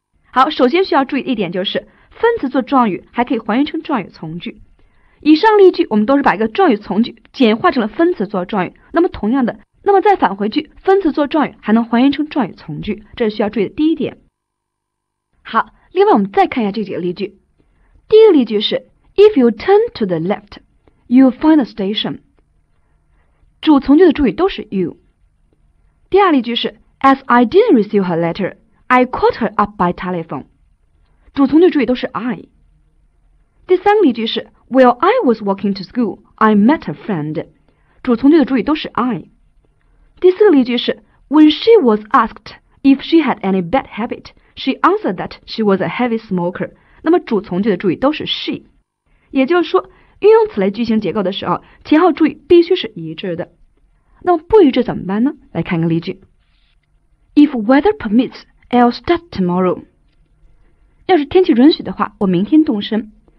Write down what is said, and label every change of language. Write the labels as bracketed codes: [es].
[zh] 好，首先需要注意一点，就是分词做状语还可以还原成状语从句。以上例句我们都是把一个状语从句简化成了分词做状语，那么同样的，那么再返回句，分词做状语还能还原成状语从句，这是需要注意的第一点。好，另外我们再看一下这几个例句。第一个例句是 [en] If you turn to the left, you'll find the station. [zh] 主从句的主语都是 you。第二例句是 [en] As I didn't receive her letter, I caught her up by telephone。 [zh] 主从句主语都是 I。第三个例句是 [en] While I was walking to school, I met a friend。 [zh] 主从句的主语都是 I。第四个例句是 [en] When she was asked if she had any bad habit, she answered that she was a heavy smoker。 [zh] 那么主从句的主语都是 she。也就是说运用此类句型结构的时候，前后注意必须是一致的。那么不一致怎么办呢？来看个例句。 [en] If weather permits, I'll start tomorrow. [zh] 要是天气允许的话，我明天动身。